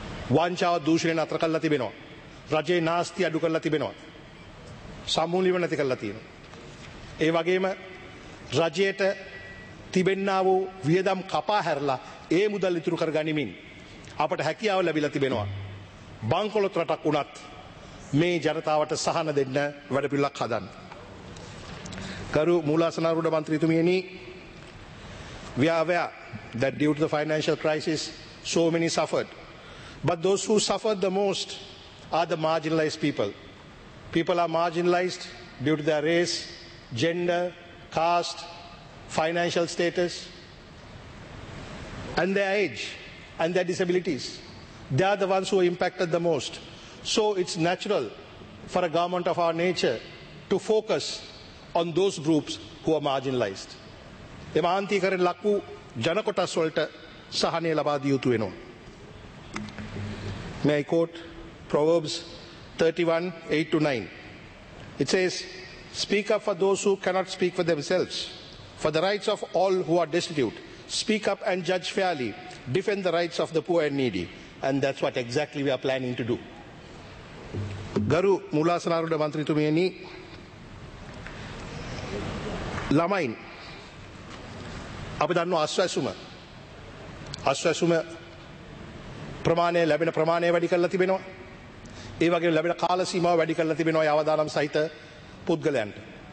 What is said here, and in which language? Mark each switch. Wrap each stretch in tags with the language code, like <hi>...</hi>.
<si>වංචාව දූෂණය නතර කළා තිබෙනවා, රජයේ නාස්ති අඩු කළා තිබෙනවා, සම්මූලීව නැති කළා තියෙනවා. ඒ වගේම රජයට තිබෙන්නා වූ වියදම් කපා හැරලා ඒ මුදල් ඉතුරු කර ගනිමින් අපට හැකියාව ලැබිලා තිබෙනවා බංකොලොත් රටක් වුණත් මේ ජනතාවට සහන දෙන්න වැඩපිළිවෙලක් හදන්න. ගරු මූලාසනාරූඪ මන්ත්‍රීතුමියනි,</si> <en>we are aware that due to the financial crisis so many suffered, but those who suffered the most are the marginalized people. People are marginalized due to their race, gender, caste, financial status and their age and their disabilities. They are the ones who are impacted the most. So it's natural for a government of our nature to focus on those groups who are marginalized.</en> <si>ඒ මාන්තිකරණ ලකු ජනකොටස් වලට සහනය ලබා දිය යුතු වෙනවා.</si> <en>May I quote Proverbs 31:8-9. It says, speak up for those who cannot speak for themselves, for the rights of all who are destitute. Speak up and judge fairly. Defend the rights of the poor and needy. And that's what exactly we are planning to do.</en> <si>ගරු මූලාසනාරූඪ මන්ත්‍රීතුමියනි, ළමයින් අපි දන්නවා අස්වැසුම ප්‍රමාණය ලැබෙන ප්‍රමාණය වැඩි කරලා තිබෙනවා. ඒ වගේම ලැබෙන කාල සීමාව වැඩි කරලා තිබෙනවා යවදානම් සහිත පුද්ගලයන්ට.</si>